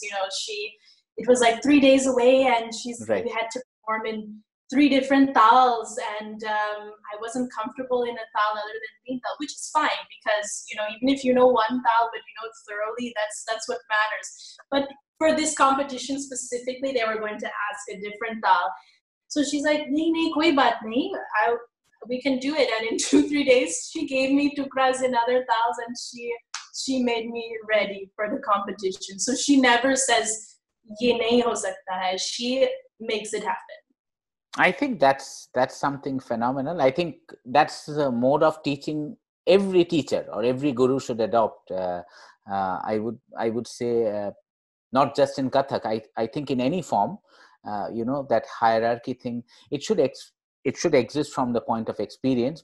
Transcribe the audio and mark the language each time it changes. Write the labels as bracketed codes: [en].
[en] You know, it was like 3 days away, and we had to perform in 3 different thals, and I wasn't comfortable in a thal other than green thal, which is fine because, you know, even if you know one thal but you know it thoroughly, that's what matters. But for this competition specifically, they were going to ask a different thal. So she's like, [hi] nee, nee, koi baat nahi, [en] we can do it. And in 2-3 days, she gave me tukras in other thals, and she made me ready for the competition. So she never says, [hi] ये नहीं हो सकता है. [en] She makes it happen. I think that's something phenomenal. I think that's the mode of teaching every teacher or every guru should adopt. I would say not just in Kathak. I think in any form, you know, that hierarchy thing, it should exist from the point of experience.